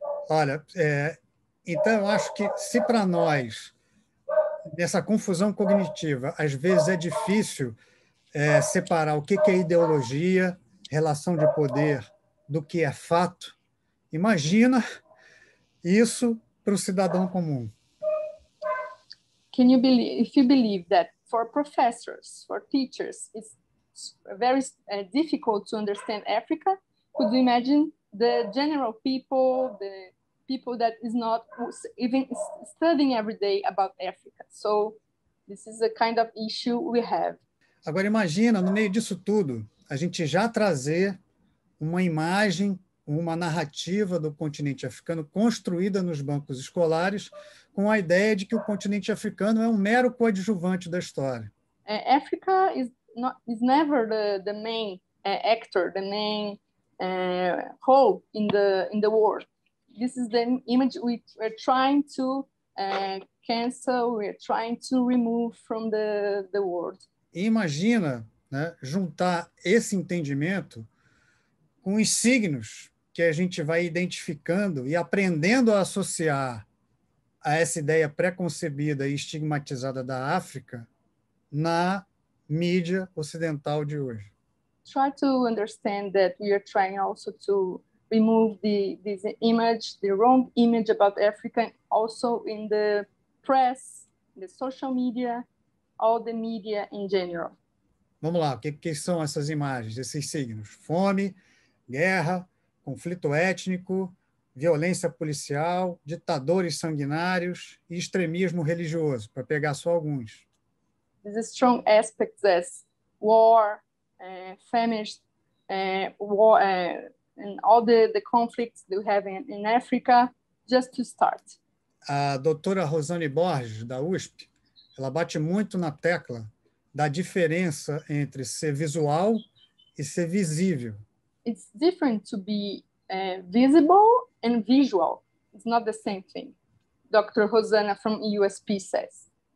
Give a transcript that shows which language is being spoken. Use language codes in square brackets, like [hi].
[pt] Olha, então eu acho que se para nós, nessa confusão cognitiva, às vezes é difícil separar o que é ideologia, relação de poder, do que é fato, imagina isso para o cidadão comum. [en] Can you believe, if you believe that for professors, for teachers, it's very difficult to understand Africa, could you imagine the general people, the people that is not even studying every day about Africa. So this is a kind of issue we have. [pt] Agora imagina, no meio disso tudo, a gente já trazer uma imagem, uma narrativa do continente africano construída nos bancos escolares com a ideia de que o continente africano é um mero coadjuvante da história. [en] Africa is never the main actor, the main role in the war. This is the image we're trying to cancel, we're trying to remove from the world. [pt] Imagina, né, juntar esse entendimento com os signos que a gente vai identificando e aprendendo a associar a essa ideia preconcebida e estigmatizada da África na mídia ocidental de hoje. [en] Try to understand that we are trying also to remove this image, the wrong image about Africa, also in the press, the social media, all the media in general. [pt] Vamos lá, o que são essas imagens, esses signos? Fome, guerra, conflito étnico, violência policial, ditadores sanguinários e extremismo religioso, para pegar só alguns. [en] These strong aspects as war, famished, war, and all the conflicts they have in Africa, just to start. [pt] A doutora Rosane Borges, da USP, ela bate muito na tecla da diferença entre ser visual e ser visível. [en] It's different to be visible and visual. It's not the same thing, Dr. Rosana from USP says.